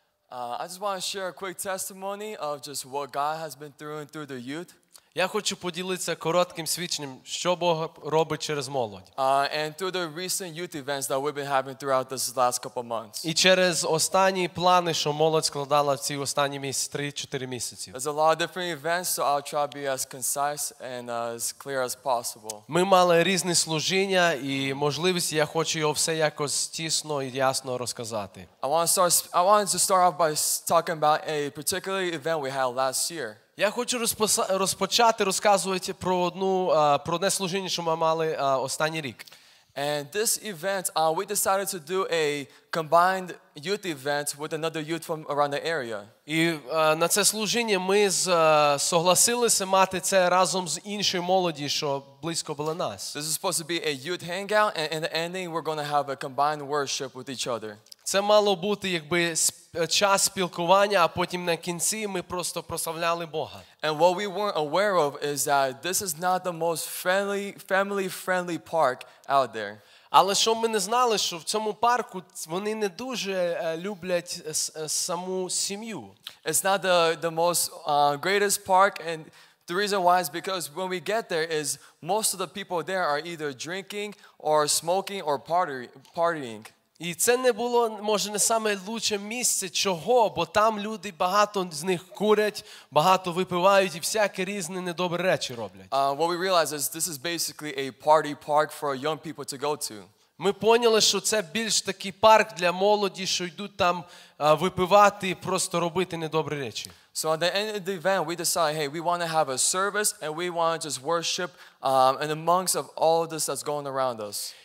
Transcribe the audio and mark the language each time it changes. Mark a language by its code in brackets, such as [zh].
[en] I just want to share a quick testimony of just what God has been doing through the youth. [uk] Я хочу поділитися коротким свідченням, що Бог робить через молодь. [en] And through the recent youth events that we've been having throughout this last couple of months. [uk] І через останні плани, що молодь складала в ці останні 3-4 місяці. [en] There's a lot of different events, so I'll try to be as concise and as clear as possible. [uk] Ми мали різні служіння і можливості, я хочу його все якось тісно і ясно розказати. [en] I wanted to start off by talking about a particular event we had last year. [uk] Я хочу розпочати розказувати про одну про одне служіння, що ми мали останній рік. [en] And this event, we decided to do a combined youth event with another youth from around the area. [uk] І на це служіння ми согласилися мати це разом з іншою молоді, що близько було нас. [en] This is supposed to be a youth hangout, and in the ending, we're going to have a combined worship with each other. [uk] Це мало бути якби час спілкування, а потім на кінці ми просто прославляли Бога. [en] And what we weren't aware of is that this is not the most family-friendly park out there. [uk] Але що ми не знали, що в цьому парку вони не дуже люблять саму сім'ю. [en] It's not the most greatest park, and the reason why is because when we get there is most of the people there are either drinking or smoking or partying. [uk] І це не було, може, не саме лучше місце, чого, бо там люди багато з них курять, багато випивають і всякі різні недобрі речі роблять. [en] What we realized is this is basically a party park for young people to go to. [uk] Ми поняли, що це більш такий парк для молоді, що йдуть там випивати і просто робити недобрі речі. [en] So at the end of the event, we decided, hey, we want to have a service and we want to just worship in the amongst of all of this that's going around us.